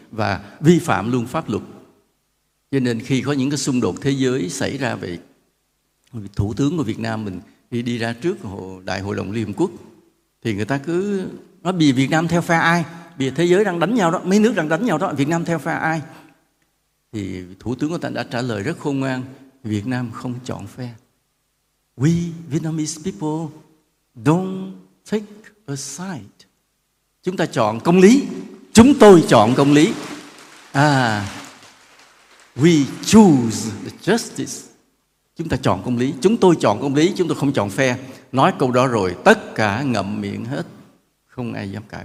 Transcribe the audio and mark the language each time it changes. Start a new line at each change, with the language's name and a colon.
Vietnamese: Và vi phạm luôn pháp luật. Cho nên khi có những cái xung đột thế giới xảy ra vậy, Thủ tướng của Việt Nam mình đi ra trước Đại Hội đồng Liên Hợp Quốc, thì người ta cứ nói vì Việt Nam theo phe ai, vì thế giới đang đánh nhau đó, mấy nước đang đánh nhau đó, Việt Nam theo phe ai. Thì Thủ tướng của ta đã trả lời rất khôn ngoan, Việt Nam không chọn phe.
English: We Vietnamese people don't take a side.
Vietnamese: Chúng ta chọn công lý, chúng tôi chọn công lý. À,
English: we choose the justice.
Vietnamese: Chúng ta chọn công lý, chúng tôi chọn công lý, chúng tôi không chọn phe. Nói câu đó rồi, tất cả ngậm miệng hết, không ai dám cãi.